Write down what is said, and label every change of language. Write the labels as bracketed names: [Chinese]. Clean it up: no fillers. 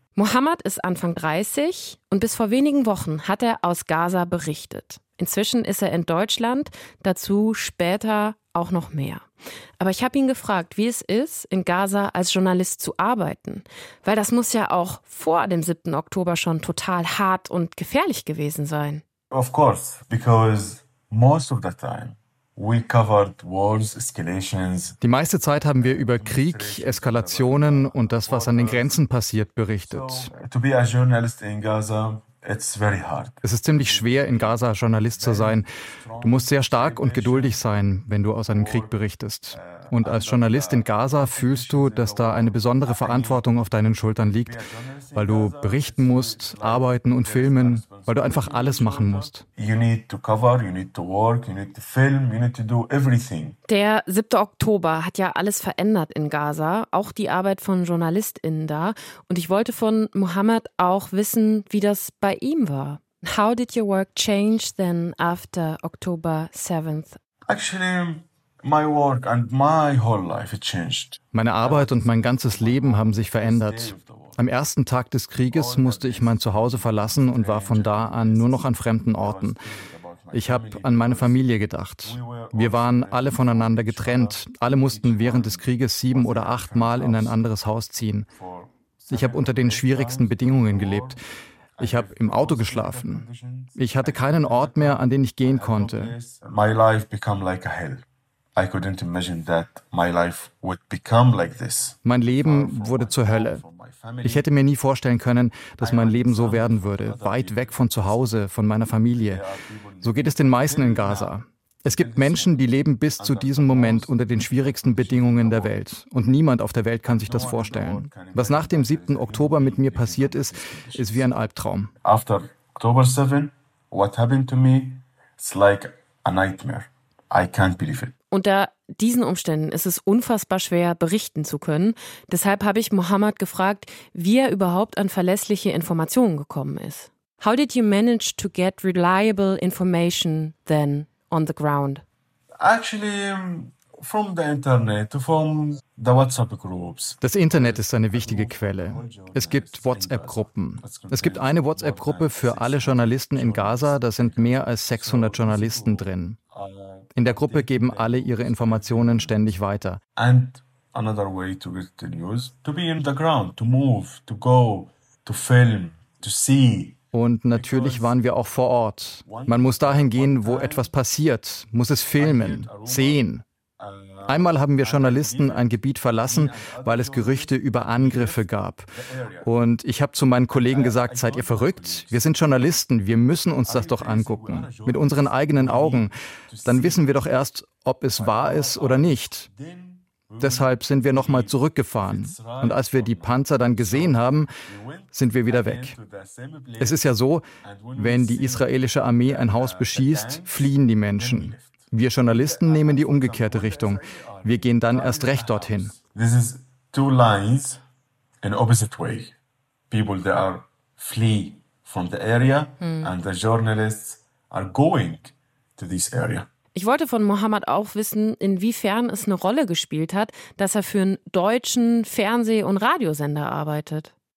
[German] Mohammed ist Anfang 30 und bis vor wenigen Wochen hat er aus Gaza berichtet. Inzwischen ist er in Deutschland, dazu später auch noch mehr. Aber ich habe ihn gefragt, wie es ist, in Gaza als Journalist zu arbeiten. Weil das muss ja auch vor dem 7. Oktober schon total hart und gefährlich gewesen sein. [English] Of course, because most of the time, we covered wars, escalations. [German] Die meiste Zeit haben wir über Krieg, Eskalationen und das, was an den Grenzen passiert, berichtet. [English] To be a journalist in Gaza, it's very hard. [German] Es ist ziemlich schwer, in Gaza Journalist zu sein. Du musst sehr stark und geduldig sein, wenn du aus einem Krieg berichtest. Und als Journalist in Gaza fühlst du, dass da eine besondere Verantwortung auf deinen Schultern liegt, weil du berichten musst, arbeiten und filmen, weil du einfach alles machen musst. [English] You need to cover, you need to work, you need to film, you need to do everything. [German] Der 7. Oktober hat ja alles verändert in Gaza, auch die Arbeit von JournalistInnen da. Und ich wollte von Mohammed auch wissen, wie das bei ihm war. [English] How did your work change then after October 7th? Actually, my work and my whole life changed. [German] Meine Arbeit und mein ganzes Leben haben sich verändert. Am ersten Tag des Krieges musste ich mein Zuhause verlassen und war von da an nur noch an fremden Orten. Ich habe an meine Familie gedacht. Wir waren alle voneinander getrennt. Alle mussten während des Krieges 7 oder 8 Mal in ein anderes Haus ziehen. Ich habe unter den schwierigsten Bedingungen gelebt. Ich habe im Auto geschlafen. Ich hatte keinen Ort mehr, an den ich gehen konnte. [English] My life became like a hell. I couldn't imagine that my life would become like this. [German] Mein Leben wurde zur Hölle. Ich hätte mir nie vorstellen können, dass mein Leben so werden würde, weit weg von zu Hause, von meiner Familie. So geht es den meisten in Gaza. Es gibt Menschen, die leben bis zu diesem Moment unter den schwierigsten Bedingungen der Welt. Und niemand auf der Welt kann sich das vorstellen. Was nach dem 7. Oktober mit mir passiert ist, ist wie ein Albtraum. [English] After October 7, what happened to me, it's like a nightmare. I can't believe it. [German] Unter diesen Umständen ist es unfassbar schwer, berichten zu können. Deshalb habe ich Mohammed gefragt, wie er überhaupt an verlässliche Informationen gekommen ist. [English] How did you manage to get reliable information then on the ground? Actually, from the internet, from the WhatsApp groups. [German] Das Internet ist eine wichtige Quelle. Es gibt WhatsApp-Gruppen. Es gibt eine WhatsApp-Gruppe für alle Journalisten in Gaza. Da sind mehr als 600 Journalisten drin. In der Gruppe geben alle ihre Informationen ständig weiter. [English] And another way to get the news, to be in the ground, to move, to go, to film, to see. [German] Und natürlich waren wir auch vor Ort. Man muss dahin gehen, wo etwas passiert, muss es filmen, sehen. Einmal haben wir Journalisten ein Gebiet verlassen, weil es Gerüchte über Angriffe gab. Und ich habe zu meinen Kollegen gesagt, seid ihr verrückt? Wir sind Journalisten, wir müssen uns das doch angucken, mit unseren eigenen Augen. Dann wissen wir doch erst, ob es wahr ist oder nicht. Deshalb sind wir nochmal zurückgefahren. Und als wir die Panzer dann gesehen haben, sind wir wieder weg. Es ist ja so, wenn die israelische Armee ein Haus beschießt, fliehen die Menschen. Wir Journalisten nehmen die umgekehrte Richtung. Wir gehen dann erst recht dorthin. [English] This is two lines in opposite way. People they are flee from the area and the journalists are going to this area. [German] Ich wollte von Mohammed auch wissen, inwiefern es eine Rolle gespielt hat, dass er für einen deutschen Fernseh- und Radiosender arbeitet.